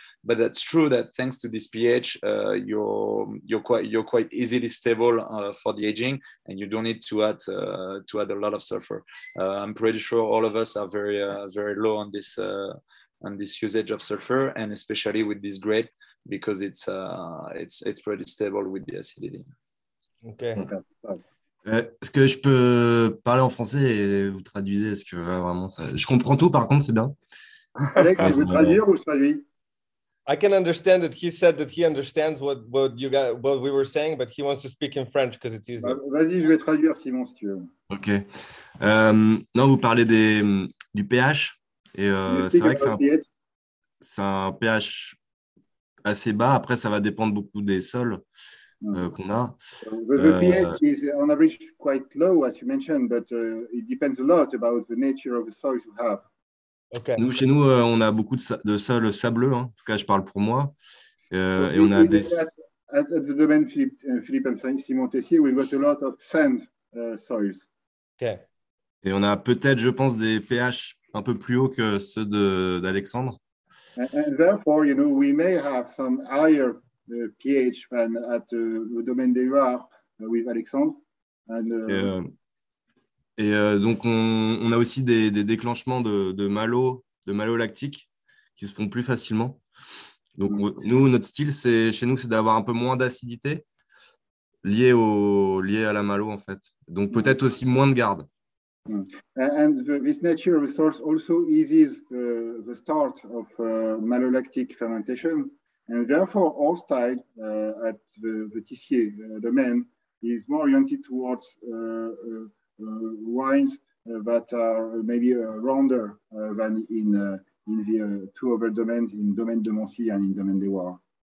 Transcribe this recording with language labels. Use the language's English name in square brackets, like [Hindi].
[English] But that's true that thanks to this pH, you're quite easily stable for the aging, and you don't need to add a lot of sulfur. I'm pretty sure all of us are very very low on this usage of sulfur, and especially with this grape, because it's pretty stable with the acidity. Okay. [French] Est-ce que je peux parler en français et vous traduisez? Est-ce que vraiment ça... Je comprends tout, par contre, c'est bien. Alex, vous traduire ou traduit? [English] I can understand that he said that he understands what we were saying, but he wants to speak in French because it's easier. [French] Vas-y, je vais traduire, Simon, si tu veux. Ok. Non, vous parlez du pH. C'est vrai que c'est un pH assez bas. Après, ça va dépendre beaucoup des sols. [English] The pH is on average quite low, as you mentioned, but it depends a lot about the nature of the soils you have. Okay. [French] Nous, chez nous, on a beaucoup de sols sableux. Hein. En tout cas, je parle pour moi. Et on a des. [English] At the domain, Philippe and Simon Tessier, we've got a lot of sand soils. Okay. [French] Et on a peut-être, je pense, des pH un peu plus hauts que ceux d'Alexandre. [English] And therefore, we may have some higher pH than at the Domaine des Huards with Alexandre. [French] Donc on a aussi des déclenchements de malolactiques qui se font plus facilement. Donc nous, notre style, c'est chez nous, c'est d'avoir un peu moins d'acidité liée à la malo, en fait. Donc peut-être aussi moins de garde. [English] And this nature of the source also eases the start of malolactic fermentation. And therefore, our style at the Tessier domain is more oriented towards wines that are maybe rounder than in the two other domains, in Domaine de Montcy and in Domaine des Huards.